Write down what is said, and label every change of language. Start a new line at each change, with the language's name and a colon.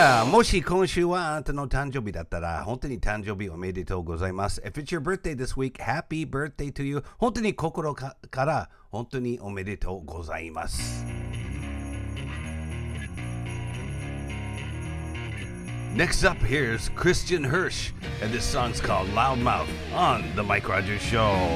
Japanese: もし今週はあなたの誕生日だったら本当に誕生日おめでとうございます。
English: If it's your birthday this week, happy birthday to you.
Japanese: 本当に心から本当におめでとうございます。
English: Next up, here's Christian Hirsch and this song's called Loud Mouth on The Mike Rogers Show.